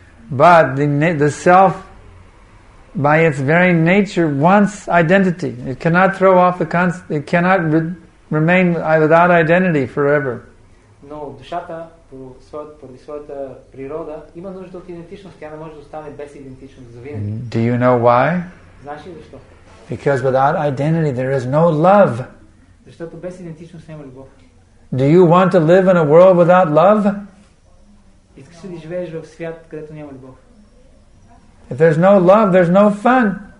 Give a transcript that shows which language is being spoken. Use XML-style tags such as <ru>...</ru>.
<en>But the self, by its very nature, wants identity. It cannot throw off the constant, it cannot remain without identity forever.</en> <bg>Но душата, поради своята природа, има нужда от идентичност. Тя не може да остане без идентичност за винаги.</bg> <en>Do you know why?</en> <bg>Знаеш ли защо?</bg> <en>Because without identity there is no love.</en> <bg>Защото без идентичност няма любов.</bg> <en>Do you want to live in a world without love?</en> <bg>Искаш ли да живееш в свят, където няма любов?</bg> <en>If there's no love, there's no fun.</en>